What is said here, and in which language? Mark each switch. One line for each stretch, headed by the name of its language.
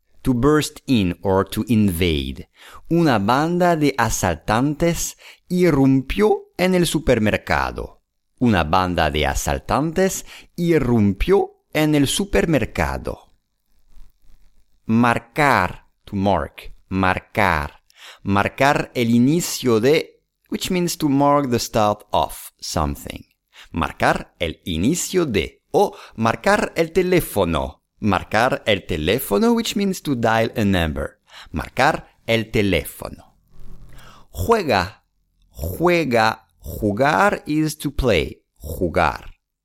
Spanish: To burst in or to invade. Una banda de asaltantes irrumpió en el supermercado. Una banda de asaltantes irrumpió en el supermercado. Marcar, to mark, marcar.
English: Marcar el inicio de, which means to mark the start of something.
Spanish: Marcar el inicio de, o marcar el teléfono.
English: Marcar el teléfono, which means to dial a number.
Spanish: Marcar el teléfono. Juega. Juega.
English: Jugar is to play. Jugar.